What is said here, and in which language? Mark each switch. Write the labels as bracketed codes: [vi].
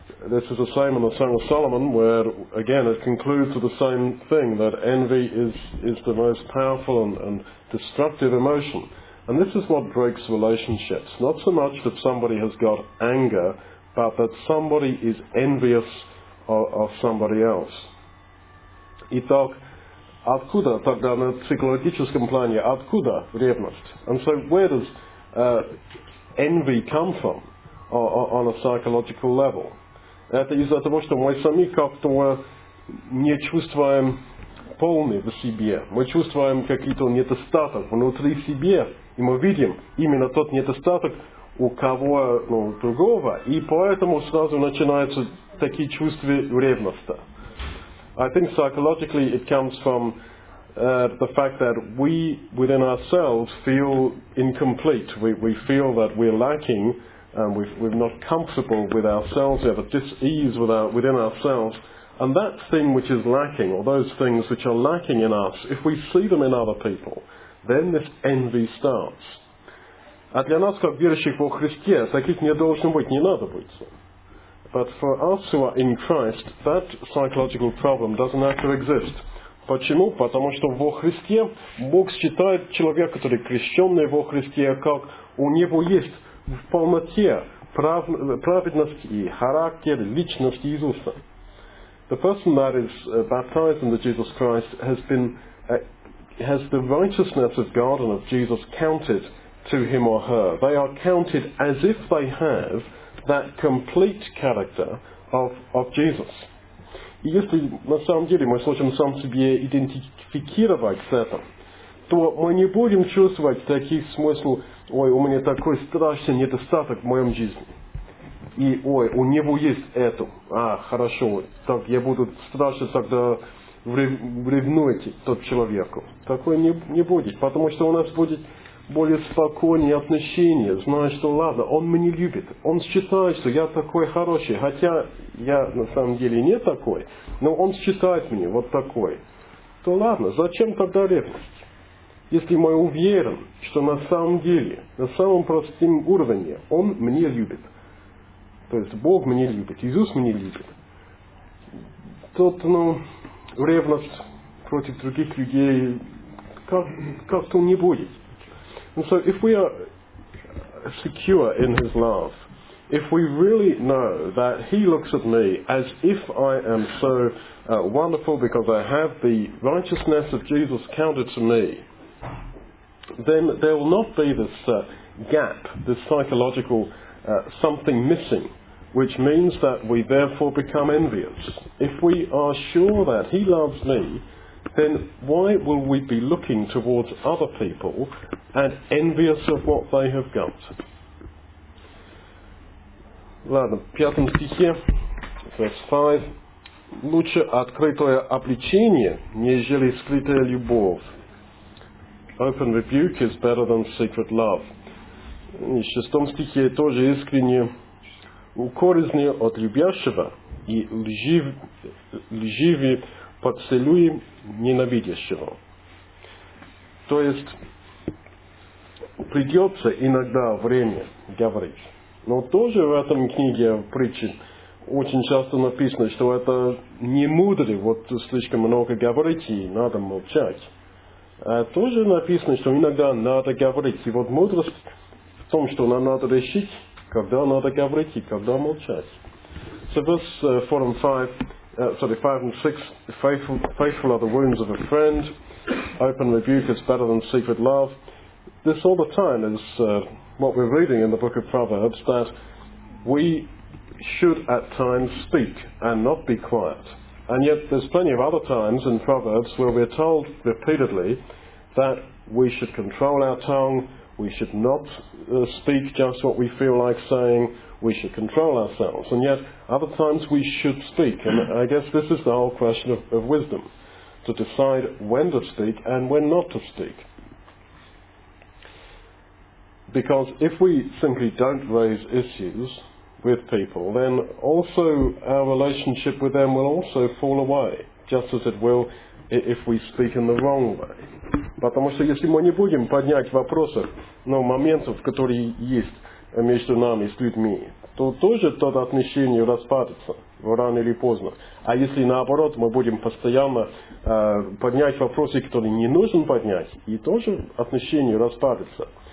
[en] This is the same in the Song of Solomon, where again it concludes with the same thing, that envy is the most powerful and destructive emotion. And this is what breaks relationships. Not so much that somebody has got anger, but that somebody is envious of somebody else. [ru] Итак, откуда тогда на психологическом плане, откуда ревность? [en] And so where does envy come from on a psychological level? [ru] Это из-за того, что мы сами как-то не чувствуем полный в себе. Мы чувствуем какие-то недостаток внутри себе. И мы видим именно тот недостаток у кого, ну, другого. И поэтому сразу начинаются такие чувства ревности. [en] I think psychologically it comes from the fact that we within ourselves feel incomplete. We feel that we're lacking. And we're not comfortable with ourselves, we have a dis-ease within ourselves. And that thing which is lacking, or those things which are lacking in us, if we see them in other people, then this envy starts. [ru] А для нас, как верующих во Христе, таких не должно быть, не надо быть. [en] But for us who are in Christ, that psychological problem doesn't have to exist. [ru] Почему? Потому что во Христе Бог считает человека, который крещенный во Христе, как у него есть в полноте праведности и характер личности Иисуса. [en] The person that is baptized into Jesus Christ has the righteousness of God and of Jesus counted to him or her. They are counted as if they have that complete character of Jesus. [ru] И если на самом деле мы сможем сам себе идентифицировать с этим, то мы не будем чувствовать таких смыслов: ой, у меня такой страшный недостаток в моем жизни. И ой, у него есть это. А, хорошо, так я буду страшно тогда ревнуете тот человеку. Такое не будет, потому что у нас будет более спокойное отношение, зная, что ладно, он меня любит, он считает, что я такой хороший, хотя я на самом деле не такой, но он считает меня вот такой. То ладно, зачем тогда ревность? Если мы уверен, что на самом деле, на самом простом уровне, он меня любит, То есть Бог мне любит, Иисус мне любит. Тут, ну, ревность против других людей, как-то не будет. [en] And so if we are secure in his love, if we really know that he looks at me as if I am so wonderful because I have the righteousness of Jesus counted to me, then there will not be this gap, this psychological something missing, which means that we therefore become envious. If we are sure that he loves me, then why will we be looking towards other people and envious of what they have got? [ru] Ладно, в пятом стихе, [en] verse 5, [ru] лучше открытое обличение, нежели скрытая любовь. [en] Open rebuke is better than secret love. [ru] И в шестом стихе тоже искренне, укоризнее от любящего, и лживее поцелуи ненавидящего. То есть, придется иногда время говорить. Но тоже в этом книге в притче очень часто написано, что это не мудрый, вот слишком много говорить и надо молчать. А тоже написано, что иногда надо говорить. И вот мудрость в том, что нам надо решить, когда надо говорить и когда молчать. [en] So verse 4 and 5, sorry, 5 and 6, faithful are the wounds of a friend, open rebuke is better than secret love. This all the time is what we're reading in the book of Proverbs, that we should at times speak and not be quiet. And yet there's plenty of other times in Proverbs where we're told repeatedly that we should control our tongue, we should not speak just what we feel like saying, we should control ourselves. And yet other times we should speak. And I guess this is the whole question of wisdom, to decide when to speak and when not to speak. Because if we simply don't raise issues with people, then also our relationship with them will also fall away, just as it will if we speak in the wrong way. [ru] Потому что если мы не будем поднять вопросов, ну, моментов, которые есть между нами с людьми, то тоже то отношение распадется рано или поздно. А если наоборот, мы будем постоянно поднять вопросы, которые не нужно поднять, и тоже отношение распадется.